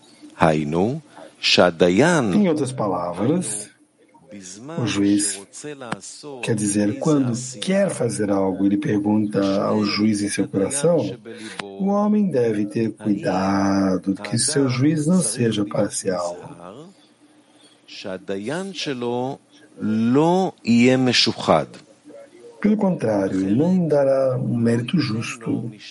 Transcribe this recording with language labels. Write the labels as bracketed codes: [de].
[pt] Em outras palavras, o juiz, quer dizer, quando quer fazer algo, ele pergunta ao juiz em seu coração, o homem deve ter cuidado que seu juiz não seja parcial. [he] שהדיין שלו לא יהיה משוחד. [pt] Pelo contrário, ele não dará um mérito justo.